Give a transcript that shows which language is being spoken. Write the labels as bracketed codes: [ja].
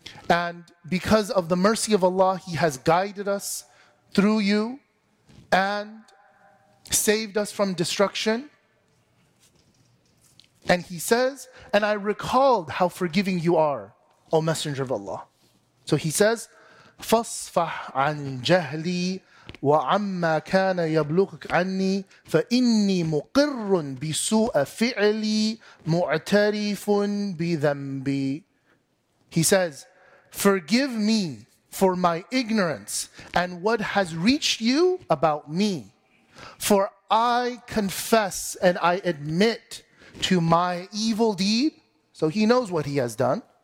[en] And because of the mercy of Allah, he has guided us through you and saved us from destruction. And he says, and I recalled how forgiving you are, O Messenger of Allah. [ar] So he says, فَصْفَحْ عَنْ جَهْلِي وَعَمَّا كَانَ يَبْلُغُكْ عَنِّي فَإِنِّي مُقِرٌّ بِسُوءَ فِعْلِي مُعْتَرِفٌ بِذَنْبِي. [en] He says, forgive me for my ignorance and what has reached you about me. For I confess and I admit to my evil deed. So he knows what he has done.